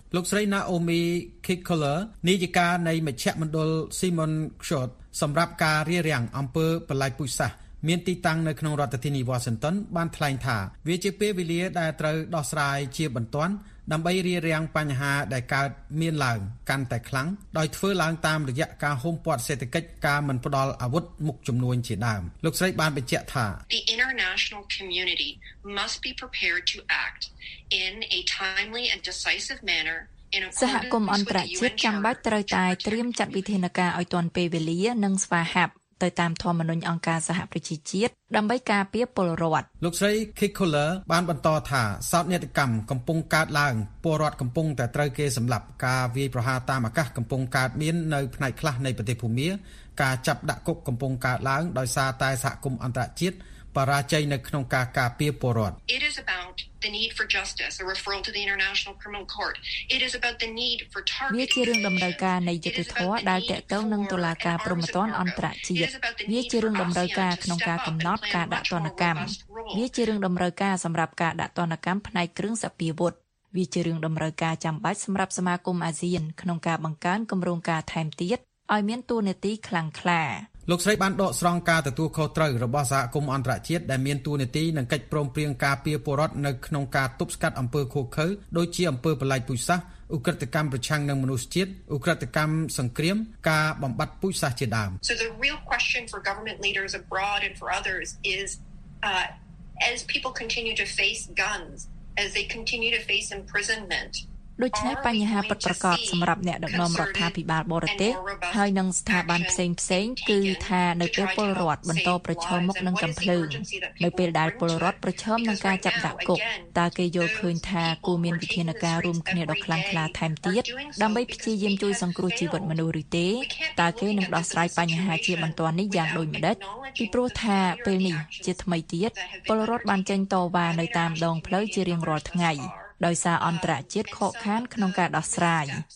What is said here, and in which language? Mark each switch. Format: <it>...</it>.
<km>លោកស្រីណាអូមីគីកូឡឺនាយិកានៃមជ្ឈមណ្ឌលស៊ីម៉ុនខ្ស៊ូតសម្រាប់ការរៀបរៀងអំពើបន្លាយពូជសាសន៍មានទីតាំងនៅក្នុងរដ្ឋធានីវ៉ាស៊ីនតោនបានថ្លែងថាវាជាពេលវេលាដែលត្រូវដោះស្រាយជាបន្ទាន់ដើម្បីរៀបរៀងបញ្ហាដែលកើតមានឡើងកាន់តែខ្លាំងដោយធ្វើឡើងតាមរយៈការហុំព័ទ្ធសេដ្ឋកិច្ចការមិនផ្ដល់អាវុធមុខចំនួនជាដើមលោកស្រីបានបញ្ជាក់ថា</km> <en>The international community must be prepared to act in a timely and decisive manner in</en> <km>សហគមន៍អន្តរជាតិចាំបាច់ត្រូវតែត្រៀមចាត់វិធានការឲ្យទាន់ពេលវេលានិងស្វាហាប់ទៅតាមធម្មនុញ្ញអង្គការសហប្រជាជាតិដើម្បីការពារពលរដ្ឋ លោកស្រី Kikola បានបន្តថាសោកនាដកម្មកំពុងកើតឡើងពលរដ្ឋកំពុងតែត្រូវគេសម្លាប់ការវាយប្រហារតាមអាកាសកំពុងកើតមាននៅផ្នែកខ្លះនៃប្រទេសភូមាការចាប់ដាក់គុកកំពុងកើតឡើងដោយសារតែសហគមន៍អន្តរជាតិបរាជ័យនៅក្នុងការការពារពលរដ្ឋ</km> <en>It is about the need for justice a referral to the international criminal court It is about the need for targeting</en> <km>វាជារឿងតម្រូវការនៃយុត្តិធម៌ដែលតកតងនឹងតុលាការព្រហ្មទណ្ឌអន្តរជាតិវាជារឿងតម្រូវការក្នុងការកំណត់ការដាក់ទណ្ឌកម្មវាជារឿងតម្រូវការសម្រាប់ការដាក់ទណ្ឌកម្មផ្នែកគ្រឿងសព្វាវុធវាជារឿងតម្រូវការចាំបាច់សម្រាប់សមាគមអាស៊ានក្នុងការបង្កើនគម្រោងការថែមទៀតឲ្យមានទូនាទីខ្លាំងក្លា លោកស្រីបានដកស្រង់ការទទួលខុសត្រូវរបស់សហគមន៍អន្តរជាតិដែលមានទួនាទីនឹងកិច្ចព្រមព្រៀងការពារពលរដ្ឋនៅក្នុងការទប់ស្កាត់អំពើឃោរឃៅដូចជាអំពើបន្លាចពូជសាសន៍ឧក្រិដ្ឋកម្មប្រឆាំងនឹងមនុស្សជាតិឧក្រិដ្ឋកម្មសង្គ្រាមការបំបត្តិពូជសាសន៍ជាដើម</km> <en>So the real question for government leaders abroad and for others is as people continue to face guns as they continue to face imprisonment</en> <km>ដូច្នេះបញ្ហាពិតប្រាកដសម្រាប់អ្នកដឹកនាំរដ្ឋាភិបាលបរទេសហើយនិងស្ថាប័នផ្សេងផ្សេងគឺថានៅពេលពលរដ្ឋបន្តប្រឈមមុខនឹងកំភ្លើង នៅពេលដែលពលរដ្ឋប្រឈមនឹងការចាប់ដាក់គុកតើគេយល់ឃើញថាគួរមានវិធានការរួមគ្នាដ៏ខ្លាំងក្លាថែមទៀតដើម្បីព្យាយាមជួយសង្គ្រោះជីវិតមនុស្សឬទេតើគេនឹងដោះស្រាយបញ្ហាជាបន្ទាន់នេះយ៉ាងដូចម្ដេចពីព្រោះថាពេលនេះជាថ្មីទៀតពលរដ្ឋបានចេញតវ៉ានៅតាមដងផ្លូវជារៀងរាល់ថ្ងៃដោយសារអន្តរជាតិខកខានក្នុងការដោះស្រាយ</km>